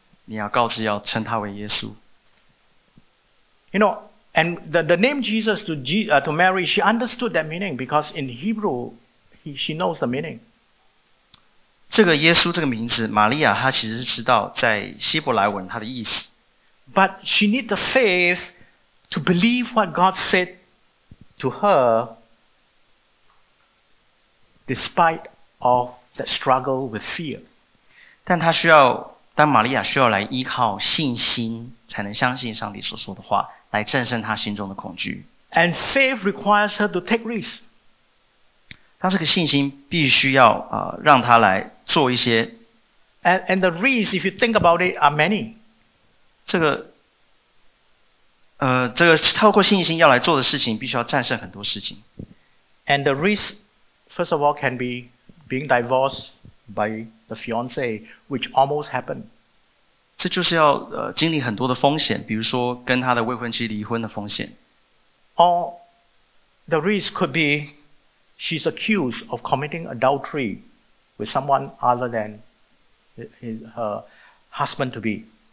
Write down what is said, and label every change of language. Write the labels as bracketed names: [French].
[Chinese] 你要告知要称他为耶稣。 [English] You know,And the name Jesus to Mary, she understood that meaning because in Hebrew, she knows the meaning. [Chinese] 这个耶稣这个名字，玛利亚她其实是知道在希伯来文它的意思。 [English] But she need the faith to believe what God said to her, despite of that struggle with fear. [Chinese] 但她需要，当玛利亚需要来依靠信心，才能相信上帝所说的话。来战胜他心中的恐惧。 [English] And faith requires her to take risks. [Chinese] 他这个信心必须要让他来做一些。 [English] And the risks, if you think about it, are many. [Chinese] 这个透过信心要来做的事情必须要战胜很多事情。 [English] And the risks, first of all, can be being divorced by the fiancé, which almost happened. [Chinese] 这就是要经历很多的风险，比如说跟他的未婚妻离婚的风险。 [English] Or the risk could be she's accused of committing adultery with someone other than her husband to be.